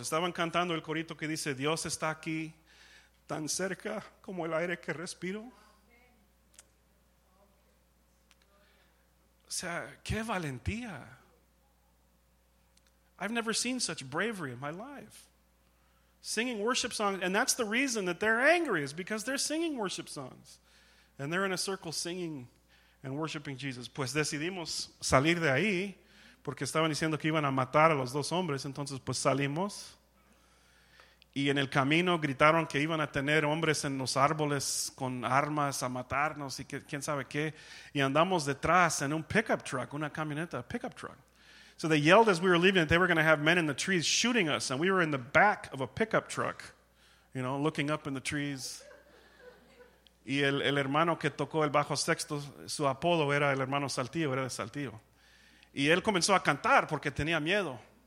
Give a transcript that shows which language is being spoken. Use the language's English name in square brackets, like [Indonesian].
[Spanish] Estaban cantando el corito que dice, Dios está aquí tan cerca como el aire que respiro. O sea, qué valentía. [English] I've never seen such bravery in my life. Singing worship songs. And that's the reason that they're angry, is because they're singing worship songs. And they're in a circle singing and worshiping Jesus. [Spanish] Pues decidimos salir de ahí, porque estaban diciendo que iban a matar a los dos hombres. Entonces, pues salimos. Y en el camino gritaron que iban a tener hombres en los árboles con armas a matarnos y que, quién sabe qué. Y andamos detrás en un pickup truck, una camioneta, a pickup truck. [English] So they yelled as we were leaving that they were going to have men in the trees shooting us. And we were in the back of a pickup truck, you know, looking up in the trees. [Spanish] Y el hermano que tocó el bajo sexto, su apodo era el hermano Saltillo, era de Saltillo. Y él comenzó a cantar porque tenía miedo.